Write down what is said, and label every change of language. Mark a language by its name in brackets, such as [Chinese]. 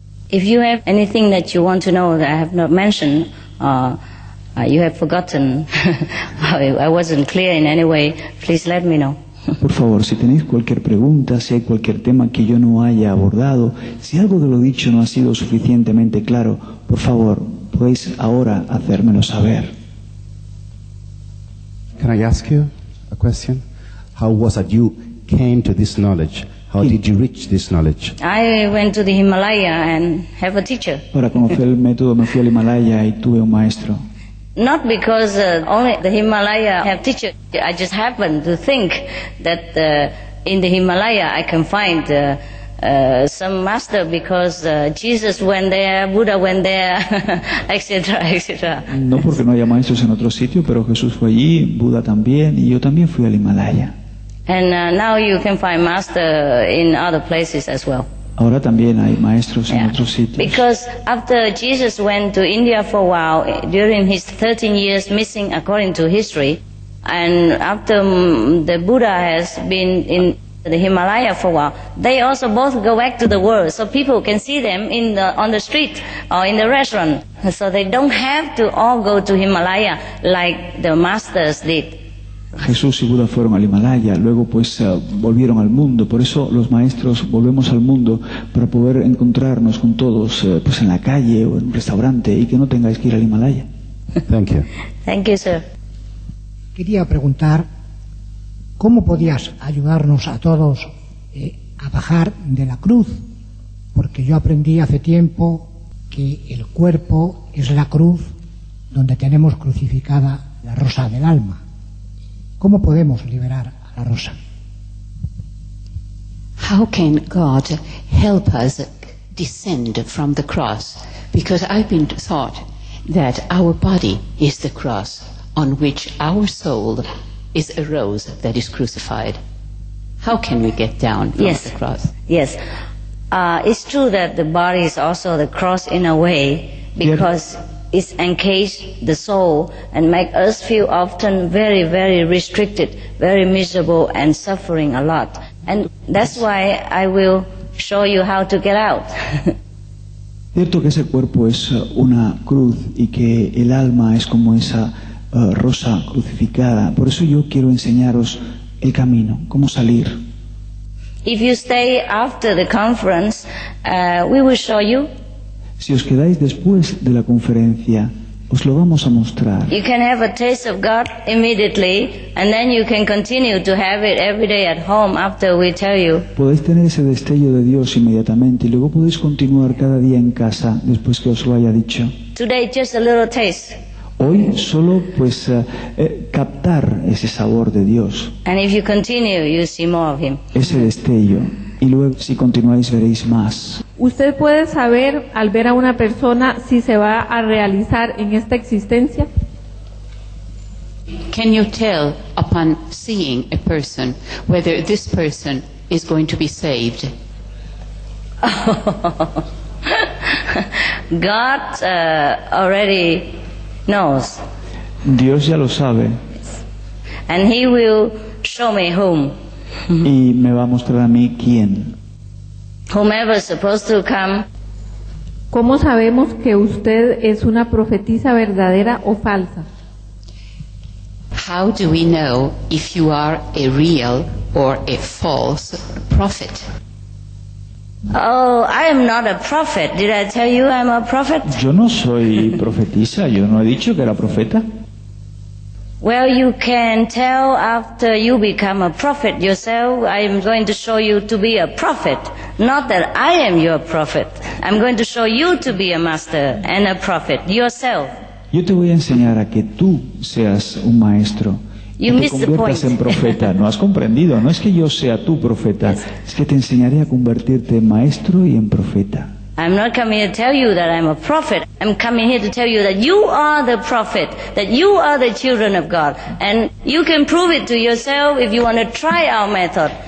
[English] If you have anything that you want to know that I have not mentioned, or you have forgotten, I wasn't clear in any way, please let me know. [Spanish] Por favor, si tenéis cualquier pregunta, si hay cualquier tema que yo no haya abordado, si algo de lo dicho no ha sido suficientemente claro, por favor, podéis ahora hacérmelo saber. [English] Can I ask you a question? How was it you came to this knowledge? How did you reach this knowledge? I went to the Himalaya and have a teacher. [Spanish] Para conocer el método me fui al Himalaya y tuve un maestro. [English] Not because only the Himalaya have teacher. I just happened to think that in the Himalaya I can find some master because Jesus went there, Buddha went there, etc., etc. [Spanish] No porque no haya maestros en otro sitio, pero Jesús fue allí, Buda también, y yo también fui al Himalaya. [English] And now you can find master in other places as well. [Spanish] Ahora también hay maestros en otros sitios. [English] Because after Jesus went to India for a while, during his 13 years missing according to history, and after the Buddha has been in the Himalaya for a while, they also both go back to the world, so people can see them in the, on the street or in the restaurant. So they don't have to all go to Himalaya like the masters did. [Spanish] Jesús y Buda fueron al Himalaya, luego pues volvieron al mundo. Por eso los maestros volvemos al mundo para poder encontrarnos con todos pues en la calle o en un restaurante y que no tengáis que ir al Himalaya. [English] Thank you. Thank you, sir. [Spanish] Quería preguntar, ¿cómo podías ayudarnos a todos a bajar de la cruz? Porque yo aprendí hace tiempo que el cuerpo es la cruz donde tenemos crucificada la rosa del alma. ¿Cómo podemos liberar a la rosa? [English] How can God help us descend from the cross? Because I've been taught that our body is the cross on which our soul is a rose that is crucified. How can we get down from yes. the cross? Yes, it's true that the body is also the cross in a way because... is encase the soul and make us feel often very, very restricted, very miserable and suffering a lot. And that's why I will show you how to get out. [Spanish] Cierto que ese cuerpo es una cruz y que el alma es como esa rosa crucificada. Por eso yo quiero enseñaros el camino, cómo salir. [English] If you stay after the conference, we will show you. [Spanish] Si os quedáis después de la conferencia, os lo vamos a mostrar. [English] You can have a taste of God immediately, and then you can continue to have it every day at home after we tell you. [Spanish] Podéis tener ese destello de Dios inmediatamente, y luego podéis continuar cada día en casa después que os lo haya dicho. [English] Today, just a little taste. [Spanish] Hoy solo pues captar ese sabor de Dios. [English] And if you continue, you see more of him. [Spanish] Ese destello. Y luego, si continuáis, veréis más. ¿Usted puede saber, al ver a una persona, si se va a realizar en esta existencia? [English] Can you tell upon seeing a person whether this person is going to be saved? God already knows. [Spanish] Dios ya lo sabe. [English] And he will show me whom. [Spanish] Y me va a mostrar a mí quién. [English] Whomever is supposed to come. [Spanish] ¿Cómo sabemos que usted es una profetisa verdadera o falsa? [English] How do we know if you are a real or a false prophet? Oh, I am not a prophet. Did I tell you I'm a prophet? [Spanish] Yo no soy profetisa. Yo no he dicho que era profeta. [English] Well, you can tell after you become a prophet yourself. I am going to show you to be a prophet. Not that I am your prophet. I'm going to show you to be a master and a prophet yourself. [Spanish] Yo te voy a enseñar a que tú seas un maestro. [English] You missed the point. [Spanish] En profeta. No has comprendido. No es que yo sea tu profeta. Es que te enseñaré a convertirte en maestro y en profeta. [English] I'm not coming here to tell you that I'm a prophet. I'm coming here to tell you that you are the prophet, that you are the children of God. And you can prove it to yourself if you want to try our method.